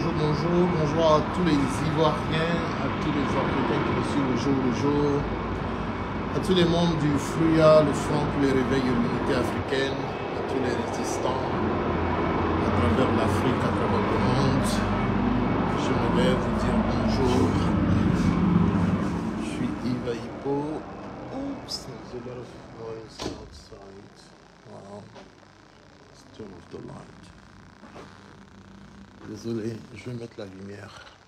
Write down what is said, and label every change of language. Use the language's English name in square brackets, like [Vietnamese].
[French] Bonjour à tous les Ivoiriens, à tous les Africains qui nous suivent le jour, à tous les membres du FUYA, le Front pour le Réveil de l'Unité Africaine, à tous les résistants à travers l'Afrique, à travers le monde. Je voulais vous dire bonjour. Je suis Yves Aipo. [English] Oups, there's a lot of noise outside. Wow. Let's turn off the light. [French] Désolé, je vais mettre la lumière.